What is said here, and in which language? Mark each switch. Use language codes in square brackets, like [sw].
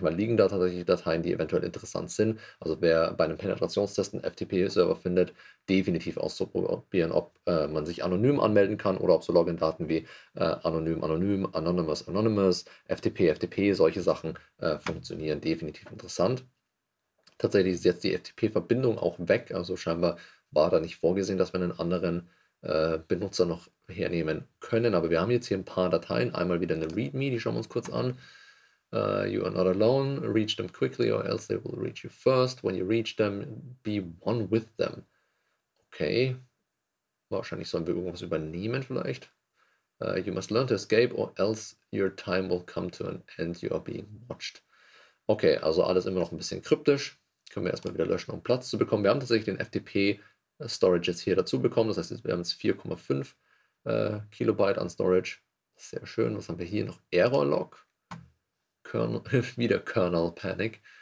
[de] Manchmal liegen da tatsächlich Dateien, die eventuell interessant sind. Also wer bei einem Penetrationstest einen FTP-Server findet, definitiv ausprobieren, ob man sich anonym anmelden kann oder ob so Login-Daten wie anonym, anonym, anonymous, anonymous, FTP, FTP, solche Sachen funktionieren, definitiv interessant. Tatsächlich ist jetzt die FTP-Verbindung auch weg, also scheinbar war da nicht vorgesehen, dass wir einen anderen Benutzer noch hernehmen können, aber wir haben jetzt hier ein paar Dateien, einmal wieder eine README, die schauen wir uns kurz an. [en] You are not alone, reach them quickly or else they will reach you first. When you reach them, be one with them. [de] Okay, wahrscheinlich sollen wir irgendwas übernehmen vielleicht. [en] You must learn to escape or else your time will come to an end, you are being watched. [de] Okay, also alles immer noch ein bisschen kryptisch. Können wir erstmal wieder löschen, um Platz zu bekommen. Wir haben tatsächlich den FTP-Storage jetzt hier dazu bekommen. Das heißt, wir haben jetzt 4,5 Kilobyte an Storage. Sehr schön. Was haben wir hier noch? Error Log. Wieder Kernel Panic.